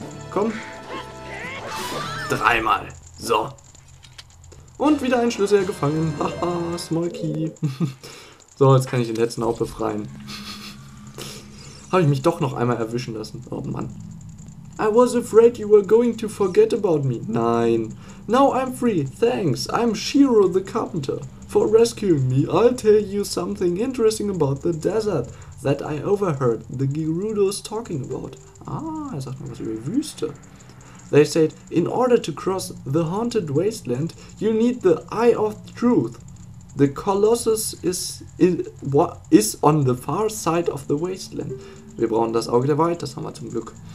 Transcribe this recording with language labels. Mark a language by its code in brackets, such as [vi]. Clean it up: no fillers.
[de] Komm. Dreimal. So. Und wieder ein Schlüssel gefangen. Haha, Smolky. So, jetzt kann ich den letzten auch befreien. Habe ich mich doch noch einmal erwischen lassen. Oh Mann. [en] I was afraid you were going to forget about me. Nein. Now I'm free. Thanks. I'm Shiro the Carpenter. For rescuing me, I'll tell you something interesting about the desert that I overheard the Gerudos talking about. [de] Ah, er sagt mal was über Wüste. [en] They said, in order to cross the haunted wasteland, you need the Eye of Truth. The Colossus is on the far side of the wasteland. [de] Wir brauchen das Auge der Wahrheit, das haben wir zum Glück.